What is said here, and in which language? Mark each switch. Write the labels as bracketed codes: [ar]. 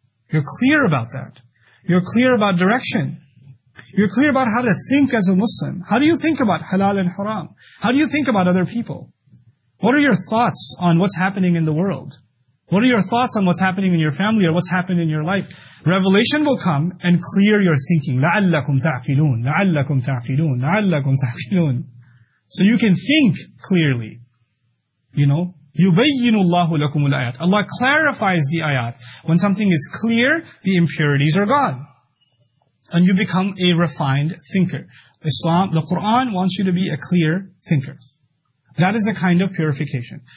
[en] You're clear about that. You're clear about direction. You're clear about how to think as a Muslim. How do you think about halal and haram? How do you think about other people? What are your thoughts on what's happening in the world? What are your thoughts on what's happening in your family or what's happened in your life? Revelation will come and clear your thinking. [ar] لَعَلَّكُمْ تَعْقِلُونَ لَعَلَّكُمْ تَعْقِلُونَ لَعَلَّكُمْ تَعْقِلُونَ [en] So you can think clearly. You know? [ar] يُبَيِّنُ اللَّهُ لَكُمُ الْآيَاتِ [en] Allah clarifies the ayat. When something is clear, the impurities are gone. And you become a refined thinker. Islam, the Quran wants you to be a clear thinker. That is a kind of purification.